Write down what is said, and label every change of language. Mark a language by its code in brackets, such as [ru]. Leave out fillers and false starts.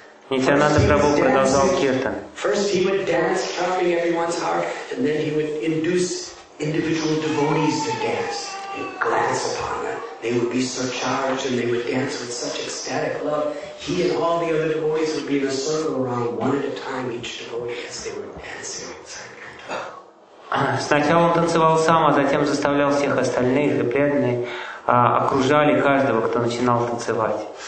[ru] Нитянанда Прабху продолжал киртан. [en] Glance upon them. They would be surcharged and they would dance with such ecstatic love. He and all the other devotees would be in a circle around one at a time, each devotee, as they were dancing with Sankirtan. [ru] Сначала он танцевал сам, а затем заставлял всех остальных, и преданные окружали каждого, кто начинал танцевать.